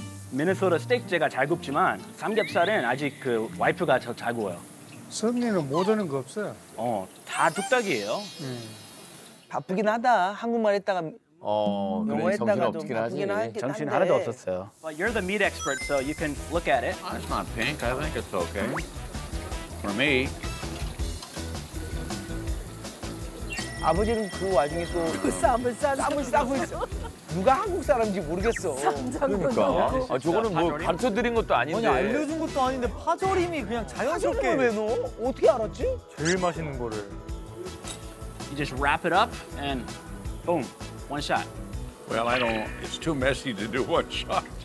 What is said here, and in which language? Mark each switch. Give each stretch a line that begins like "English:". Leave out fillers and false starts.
Korean: 미네소라 스테이크 제가 잘 굽지만 삼겹살은 아직 그 와이프가 더 잘 구워요. 선미는 모르는 거 없어요. 다 뚝딱이에요. 바쁘긴 하다. 한국말 했다가 영어 했다가 정신 없긴 하지. 정신 하나도 없었어요.
English: But you're the meat expert, so you can look at it. It's not pink. I think it's okay. For me.
Korean: 아버지는 그 와중에 또 쌈을 싸고 있어. 누가 한국 사람인지 모르겠어. 그러니까. 아, 저거는 뭐 가르쳐드린 것도 아닌데. 아니, 알려준 것도 아닌데 파절임이 그냥 자연스럽게. 파절임을 왜 넣어? 어떻게 알았지? 제일 맛있는 거를.
English: You just wrap it up and boom, one shot. Well, I don't, it's too messy to do one shot.